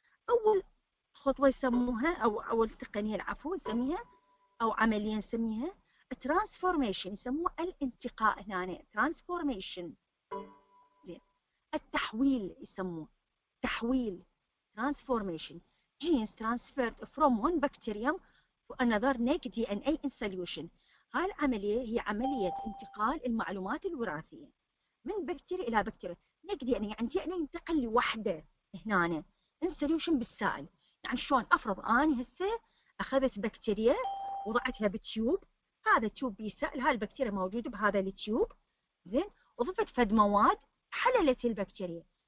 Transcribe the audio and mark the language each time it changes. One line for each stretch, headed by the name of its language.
Arabic: أول خطوة يسموها أو أول تقنية العفو نسميها أو عملية نسميها transformation، يسموها الانتقاء هنا transformation زين التحويل يسموه تحويل transformation.
English: genes transferred from one bacterium to another naked DNA in solution.
Arabic: هاي العملية هي عملية انتقال المعلومات الوراثية من بكتيريا إلى بكتيريا. naked DNA يعني DNA ينتقل لوحدة هنا
English: in solution
Arabic: بالسائل. يعني شلون افرض اني هسه اخذت بكتيريا وضعتها بتيوب، هذا تيوب بيسائل، هاي البكتيريا موجوده بهذا التيوب زين، وضفت فد مواد حللت البكتيريا.